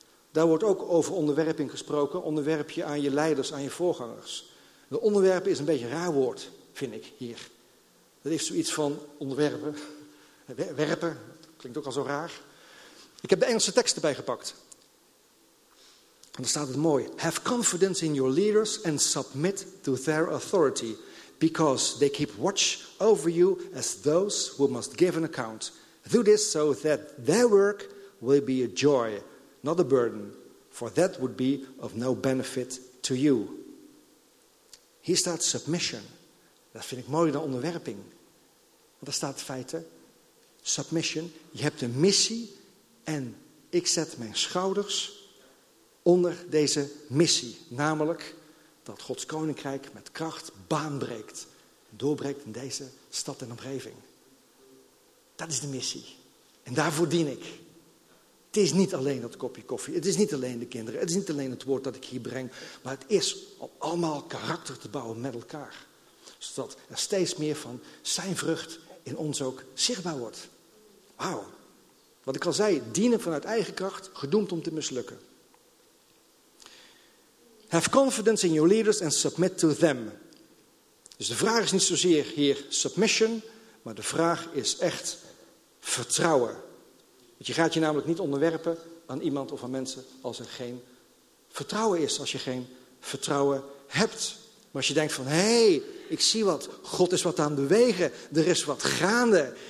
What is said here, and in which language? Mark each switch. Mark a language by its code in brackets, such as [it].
[nl] Daar wordt ook over onderwerping gesproken. Onderwerp je aan je leiders, aan je voorgangers. De onderwerpen is een beetje een raar woord, vind ik hier. Dat is zoiets van onderwerpen. Werpen, dat klinkt ook al zo raar. Ik heb de Engelse tekst erbij gepakt. En dan staat het mooi. [en] Have confidence in your leaders and submit to their authority. Because they keep watch over you as those who must give an account. Do this so that their work will be a joy, not a burden. For that would be of no benefit to you. [nl] Hier staat submission. Dat vind ik mooier dan onderwerping. Want daar staat feiten. Submission. Je hebt een missie. En ik zet mijn schouders onder deze missie. Namelijk dat Gods koninkrijk met kracht baanbreekt. Doorbreekt in deze stad en omgeving. Dat is de missie. En daarvoor dien ik. Het is niet alleen dat kopje koffie. Het is niet alleen de kinderen. Het is niet alleen het woord dat ik hier breng. Maar het is om allemaal karakter te bouwen met elkaar. Zodat er steeds meer van zijn vrucht in ons ook zichtbaar wordt. Wauw. Wat ik al zei, dienen vanuit eigen kracht, gedoemd om te mislukken. [en] Have confidence in your leaders and submit to them. [nl] Dus de vraag is niet zozeer hier submission, maar de vraag is echt vertrouwen. Want je gaat je namelijk niet onderwerpen aan iemand of aan mensen als er geen vertrouwen is, als je geen vertrouwen hebt. Maar als je denkt van, hey, ik zie wat, God is wat aan het bewegen, er is wat gaande.